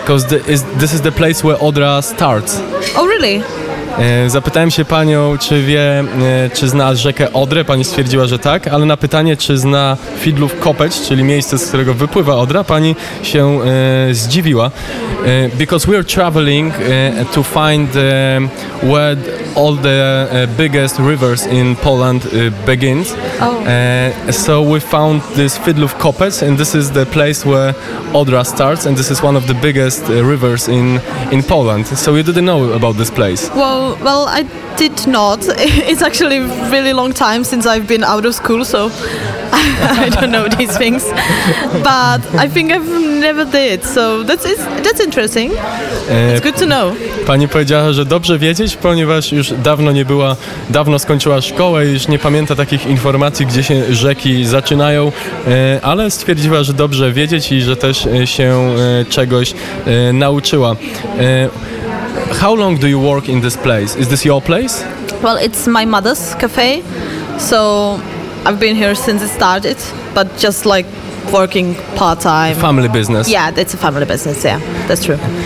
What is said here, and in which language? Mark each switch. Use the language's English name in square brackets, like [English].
[English] Because this is the place where Odra starts. Oh, really? [Polish] Zapytałem się panią, czy wie, czy zna rzekę Odrę. Pani stwierdziła, że tak, ale na pytanie, czy zna Fidlów Kopeć, czyli miejsce, z którego wypływa Odra, pani się zdziwiła. [English] Because we're traveling to find where all the biggest rivers in Poland begins. Oh. So we found this Fidlów Kopeć, and this is the place where Odra starts, and this is one of the biggest rivers in Poland. So you didn't know about this place. Well, I did not. It's actually a really long time since I've been out of school, so I don't know these things. But I think I've never did, so that's interesting. It's good to know. [Polish] Pani powiedziała, że dobrze wiedzieć, ponieważ już dawno nie była, dawno skończyła szkołę i już nie pamięta takich informacji, gdzie się rzeki zaczynają, ale stwierdziła, że dobrze wiedzieć i że też się czegoś nauczyła. [English] How long do you work in this place? Is this your place? Well, it's my mother's cafe, so I've been here since it started, but just like working part-time. Family business. Yeah, it's a family business, yeah, that's true.